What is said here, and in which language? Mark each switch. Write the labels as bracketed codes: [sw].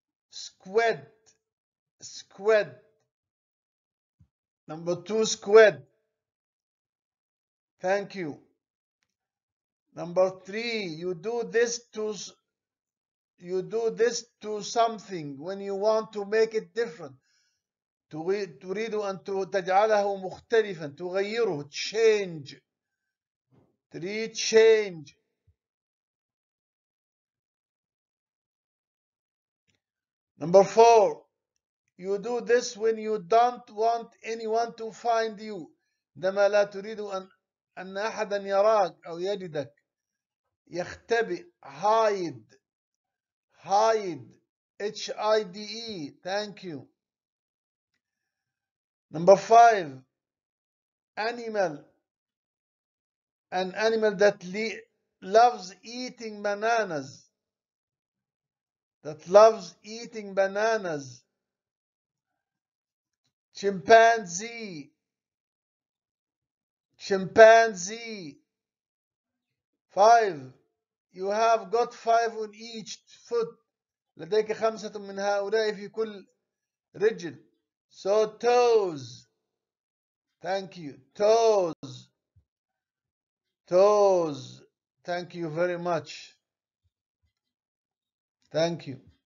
[en] Squid, squid. Number two, squid. Thank you. Number three, you do this to something when you want to make it different. [ar] تريد أن تجعله مختلفا, تغيره, [en] change. Three, change. Number four, you do this when you don't want anyone to find you. [ar] عندما لا تريد أن أحدا يراك أو يجدك. يختبئ, [en] hide, hide, H-I-D-E, thank you. Number five, animal, an animal that loves eating bananas, that loves eating bananas. Chimpanzee, chimpanzee. Five, you have got five on each foot. [ar] لديك خمسة من هؤلاء في كل رجل. [en] So toes, thank you. Toes, toes, thank you very much. Thank you.